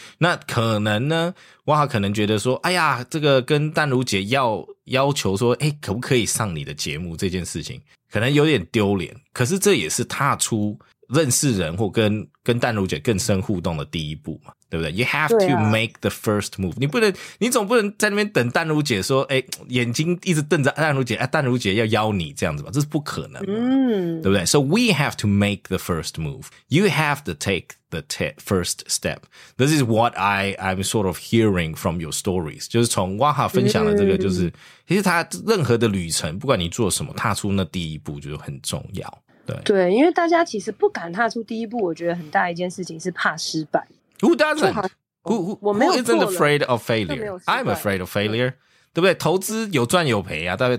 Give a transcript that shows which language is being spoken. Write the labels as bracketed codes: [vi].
[zh] 那可能呢，哇哈可能觉得说，哎呀，这个跟淡如姐要求说，哎，可不可以上你的节目这件事情，可能有点丢脸。可是这也是踏出认识人或跟淡如姐更深互动的第一步嘛，对不对？ [en] You have to make the first move、啊、 [zh] 你总不能在那边等淡如姐说，诶，眼睛一直瞪着淡如姐、啊、淡如姐要邀你这样子吧，这是不可能、嗯、对不对？ [en] So we have to make the first move. You have to take the first step. This is what I'm sort of hearing from your stories. [zh] 就是从 Waha 分享的这个就是、嗯、其实他任何的旅程不管你做什么，踏出那第一步就很重要。对, 对，因为大家其实不敢踏出第一步，我觉得很大一件事情是怕失败。 [en] Who doesn't? Who isn't afraid of failure? I'm afraid of failure. [zh] 对不对？投资有赚有赔啊，对不对？